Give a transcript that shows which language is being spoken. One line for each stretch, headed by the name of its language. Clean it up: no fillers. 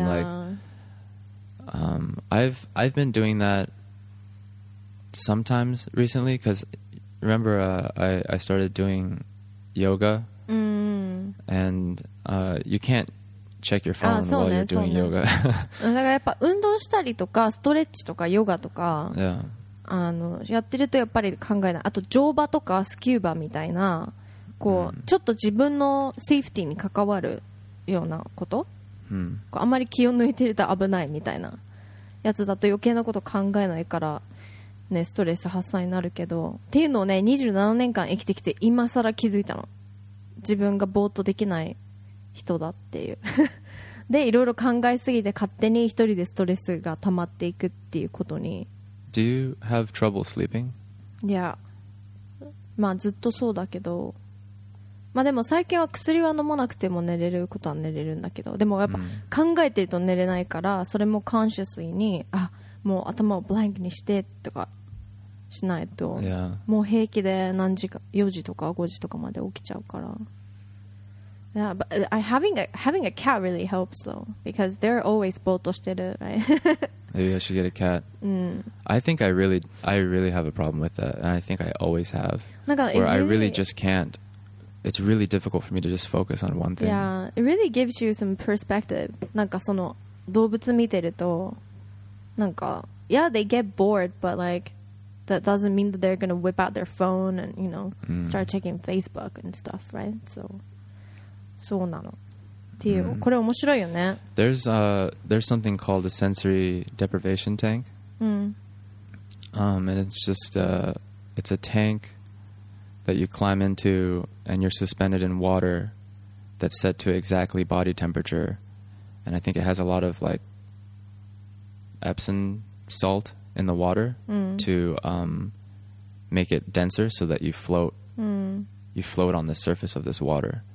English: yeah. like, I've been doing that sometimes recently, because remember I started doing yoga, and you can't check your phone while you're doing yoga.
Japanese: だからやっぱ運動したりとかストレッチとかヨガとか、 yeah. あのやってるとやっぱり考えない。あと乗馬とかスキューバみたいなこう、ちょっと自分のセーフティーに関わるようなこと、こうあんまり気を抜いてると危ないみたいなやつだと余計なこと考えないからね、ストレス発散になるけどっていうのをね、27年間生きてきて今さら気づいたの、自分がぼーっとできない人だっていう。でいろいろ考えすぎて勝手に一人でストレスが溜まっていくっていうことに。
English: Do you have trouble sleeping?
Japanese: いや、まあずっとそうだけど、まあでも最近は薬は飲まなくても寝れることは寝れるんだけど、でもやっぱ考えてると寝れないから、それもコンシャスに、あ、もう頭をブランクにしてとかしないと、 yeah. もう平気で何時か4時とか5時とかまで起きちゃうから。
English: Yeah, but having a cat really helps though, because they're always
Japanese: ぼーっとしてる、
English: right? Maybe I should get a cat. I think I really have a problem with that, and I think I always have. Where I really just can't. It's really difficult for me to just focus on one thing. Yeah, it really gives you some perspective.
Japanese: なんかその動物見てるとなんか
English: yeah, they get bored, but like that doesn't mean that they're gonna whip out their phone and you know start checking Facebook and stuff, right?
Japanese: そうなのっていう、これ面白いよね。
English: There's something called a sensory deprivation tank. And it's just it's a tank that you climb into and you're suspended in water that's set to exactly body temperature, and I think it has a lot of like Epsom salt in the water to make it denser so that you float you float on the surface of this water.